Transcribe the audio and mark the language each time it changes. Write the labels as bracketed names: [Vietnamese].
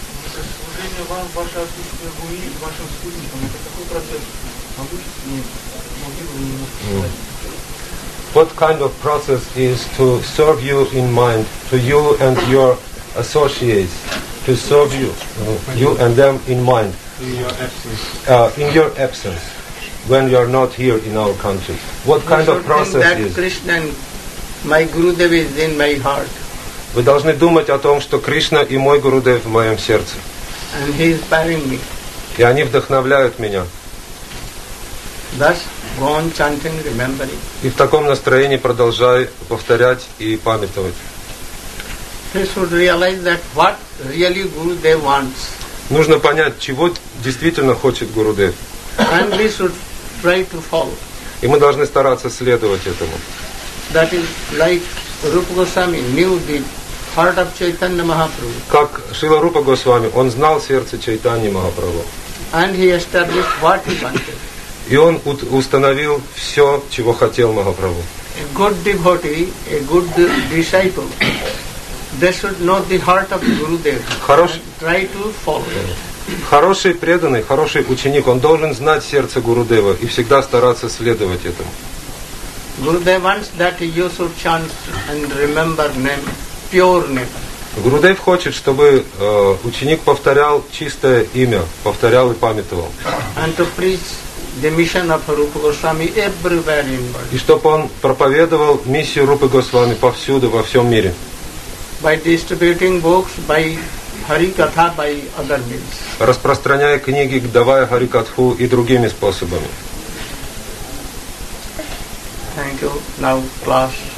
[Russian] Служение вам, ваше отличие Гуи, вашим спутникам, это какой процесс? Могучесть мне, могли бы вы немножко сказать? [English] What kind of process is to serve you in mind, to you and your associates, to serve you, you and them in mind? In your absence. When you are not here in our country. What you kind of process think that is? Krishna, my Gurudev is in my heart. [Russian] Вы должны думать о том, что Кришна и мой Гурудев в моем сердце. [English] And he is inspiring me. [Russian] И они вдохновляют меня. [English] Thus, go on chanting, remembering. [Russian] И в таком настроении продолжай повторять и памятовать. [English] He should realize that what really Gurudev wants. [Russian] Нужно понять, чего действительно хочет Гурудев. [English] And we should try to follow. [Russian] И мы должны стараться следовать этому. [English] That is like Rupa Goswami knew the heart of Chaitanya Mahaprabhu. [Russian] Как Шрила Рупа Госвами, он знал сердце Чайтаньи Махапрабху. [English] And he established what he wanted. [Russian] И он установил все, чего хотел Махапрабху. [English] A good devotee, a good disciple, they should know the heart of Gurudev. Try to follow. [Russian] Хороший преданный, хороший ученик, он должен знать сердце Гурудева и всегда стараться следовать этому. [English] Gurudev wants that you should chant and remember name, pure name. [Russian] Гурудев хочет, чтобы ученик повторял чистое имя, повторял и памятовал. [English] And to preach the mission of Rupa Goswami everywhere in world. [Russian] И чтобы он проповедовал миссию Рупы Госвами повсюду, во всем мире. [English] By distributing books, by Харикатха, by other means. [Russian] Распространяя книги, давая Харикатху и другими способами. [English] Thank you. Now class.